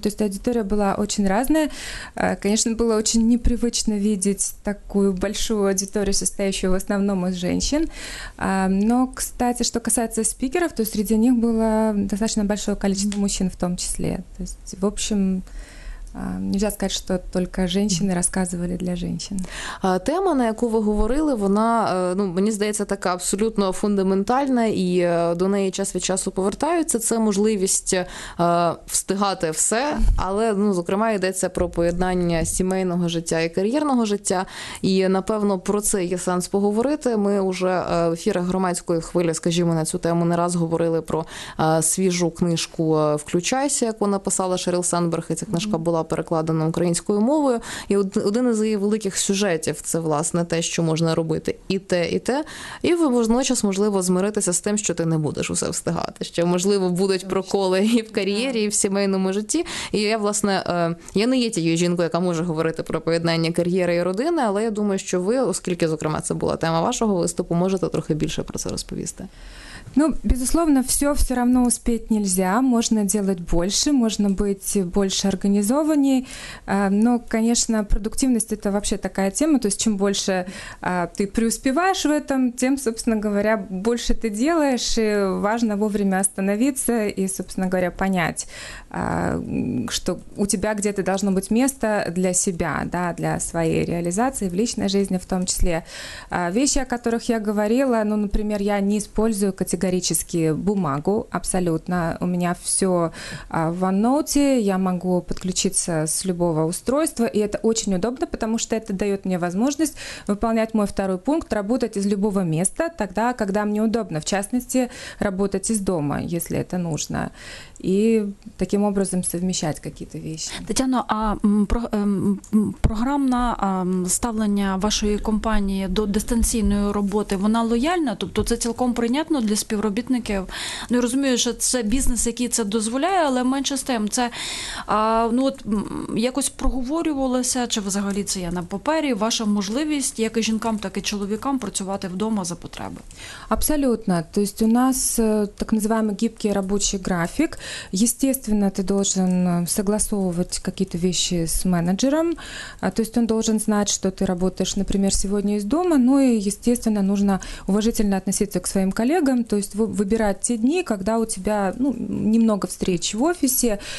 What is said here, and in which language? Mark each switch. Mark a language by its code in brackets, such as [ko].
[ru] То есть аудитория была очень разная. Конечно, было очень непривычно видеть такую большую аудиторию, состоящую в основном из женщин. Но, кстати, что касается спикеров, то среди них было достаточно большое количество мужчин в том числе. То есть, в общем, нельзя сказать, что только женщины рассказывали для женщин. [uk] Тема, на яку ви говорили, вона, ну, мені здається, така абсолютно фундаментальна, і до неї час від часу повертаються. Це можливість встигати все, але, ну, зокрема, йдеться про поєднання сімейного життя і кар'єрного життя. І, напевно, про це є сенс поговорити. Ми вже в ефірах громадської хвилі, скажімо, на цю тему не раз говорили про свіжу книжку «Включайся», яку написала Шеріл Сендберг, і ця книжка була перекладена українською мовою. І один із її великих сюжетів – це, власне, те, що можна робити і те, і те. І ви водночас, можливо, змиритися з тим, що ти не будеш усе встигати. Що, можливо, будуть проколи і в кар'єрі, і в сімейному житті. І я, власне, я не є тією жінкою, яка може говорити про поєднання кар'єри і родини, але я думаю, що ви, оскільки, зокрема, це була тема вашого виступу, можете трохи більше про це розповісти. [ru] Ну, безусловно, все равно успеть нельзя. Можно делать больше, можно быть больше организованней. Но, конечно, продуктивность – это вообще такая тема. То есть чем больше ты преуспеваешь в этом, тем, собственно говоря, больше ты делаешь. И важно вовремя остановиться и, собственно говоря, понять, что у тебя где-то должно быть место для себя, да, для своей реализации в личной жизни в том числе. Вещи, о которых я говорила, ну, например, я не использую категорически бумагу, абсолютно. У меня все в OneNote, я могу подключиться с любого устройства, и это очень удобно, потому что это дает мне возможность выполнять мой второй пункт, работать из любого места, тогда, когда мне удобно, в частности, работать из дома, если это нужно. [uk] І таким образом совміщати якісь речі. Тетяно, а програмне ставлення вашої компанії до дистанційної роботи, вона лояльна? Тобто це цілком прийнятно для співробітників? Ну, я розумію, що це бізнес, який це дозволяє, але менше з тим, це, ну, от, якось проговорювалося, чи взагалі це є на папері, ваша можливість, як і жінкам, так і чоловікам, працювати вдома за потреби? Абсолютно. Тобто у нас так називаємо гибкий робочий графік. [ru] Естественно, ты должен согласовывать какие-то вещи с менеджером, то есть он должен знать, что ты работаешь, например, сегодня из дома, ну и, естественно, нужно уважительно относиться к своим коллегам, то есть выбирать те дни, когда у тебя, ну, немного встреч в офисе,